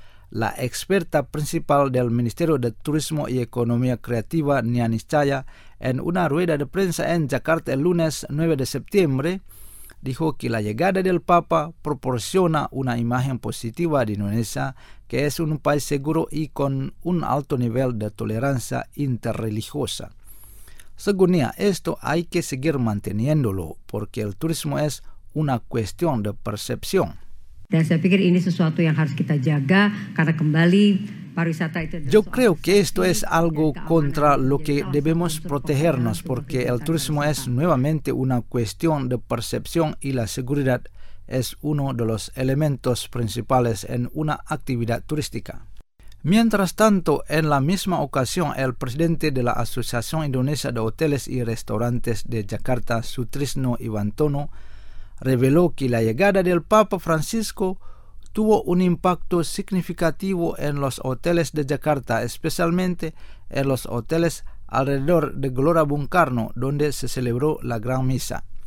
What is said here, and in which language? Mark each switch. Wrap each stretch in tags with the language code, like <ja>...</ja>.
<es>La experta principal del Ministerio de Turismo y Economía Creativa, Nianiscaya, en una rueda de prensa en Jakarta el lunes 9 de septiembre, dijo que la llegada del Papa proporciona una imagen positiva de Indonesia, que es un país seguro y con un alto nivel de tolerancia interreligiosa. Según ella, esto hay que seguir manteniéndolo, porque el turismo es una cuestión de percepción.</es> <id>Dan saya pikir ini sesuatu yang harus kita jaga karena kembali.</id> <es>Yo creo que esto es algo contra lo que debemos protegernos, porque el turismo es nuevamente una cuestión de percepción y la seguridad es uno de los elementos principales en una actividad turística. Mientras tanto, en la misma ocasión, el presidente de la Asociación Indonesia de Hoteles y Restaurantes de Jakarta, Sutrisno Iwantono, reveló que la llegada del Papa Francisco tuvo un impacto significativo en los hoteles de Jakarta, especialmente en los hoteles alrededor de Gelora Bung Karno, donde se celebró la Gran Misa.</es>